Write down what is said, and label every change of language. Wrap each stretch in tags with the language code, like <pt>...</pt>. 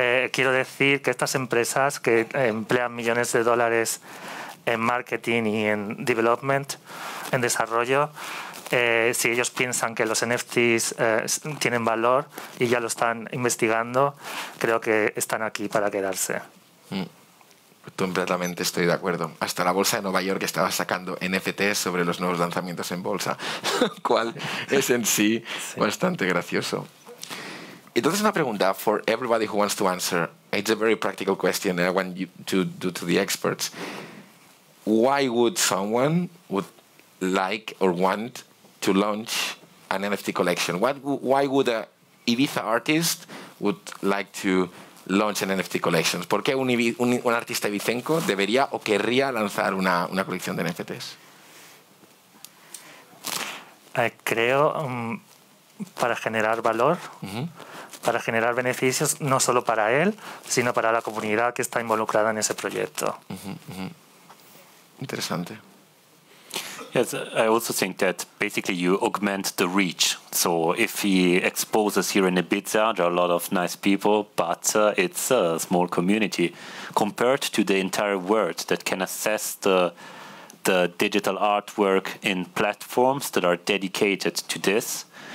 <es>Quiero decir que estas empresas que emplean millones de dólares en marketing y en development, en desarrollo, si ellos piensan que los NFTs tienen valor y ya lo están investigando, creo que están aquí para quedarse. Completamente estoy de acuerdo. Hasta la bolsa de Nueva York estaba sacando NFTs sobre los nuevos lanzamientos en bolsa, lo cual es en sí, sí, bastante gracioso. Entonces, una pregunta</es> <en>for everybody who wants to answer. It's a very practical question that I want you to do to the experts. Why would someone would like or want to launch an NFT collection? Why would a Ibiza artist would like to launch an NFT collection?</en> <es>¿Por qué un artista ibicenco debería o querría lanzar una colección de NFTs? Creo para generar valor. Para generar beneficios no solo para él, sino para la comunidad que está involucrada en ese proyecto. Interesante.</es> <en>Yes, I also think that basically you augment the reach. So if he exposes here in Ibiza, there are a lot of nice people, but it's a small community compared to the entire world that can assess the digital artwork in platforms that are dedicated to this.</en>